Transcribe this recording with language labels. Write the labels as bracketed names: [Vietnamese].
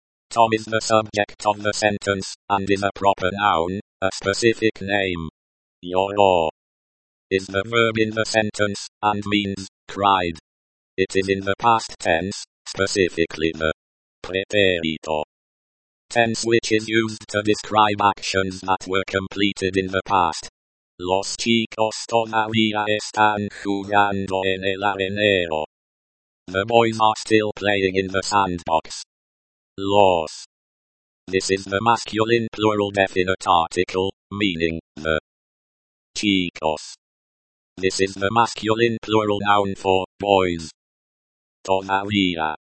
[English] Tom is the subject of the sentence, and is a proper noun, a specific name. Lloró. Is the verb in the sentence, and means, cried. It is in the past tense, specifically the pretérito. Tense which is used to describe actions that were completed in the past. [Spanish] Los chicos todavía están jugando en el arenero. [English] The boys are still playing in the sandbox. Los. This is the masculine plural definite article, meaning the chicos. This is the masculine plural noun for boys. Todavía.